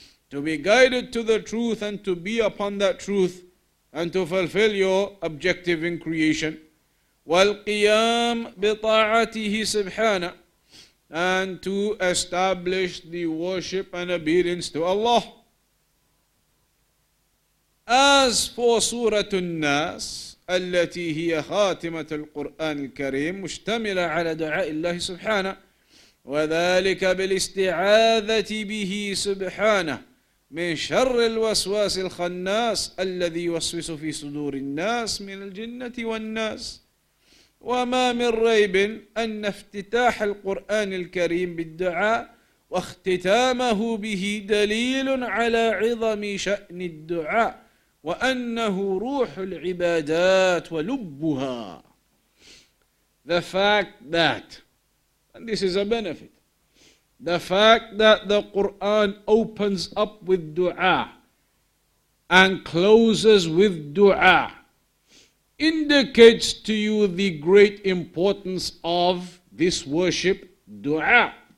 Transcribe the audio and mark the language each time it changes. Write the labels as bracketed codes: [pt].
[en] To be guided to the truth and to be upon that truth and to fulfill your objective in creation. [ar] والقيام بطاعته سبحانه. [en] And to establish the worship and obedience to Allah. As for Surah An-Nas, [ar] التي هي خاتمة القرآن الكريم مشتملة على دعاء الله سبحانه وذلك بالاستعاذة به سبحانه من شر الوسواس الخناس الذي يوسوس في صدور الناس من الجنة والناس وما من ريب أن افتتاح القرآن الكريم بالدعاء واختتامه به دليل على عظم شأن الدعاء وَأَنَّهُ رُوحُ الْعِبَادَاتِ وَلُبُّهَا. [en] The fact that, and this is a benefit, the fact that the Qur'an opens up with dua and closes with dua indicates to you the great importance of this worship, dua.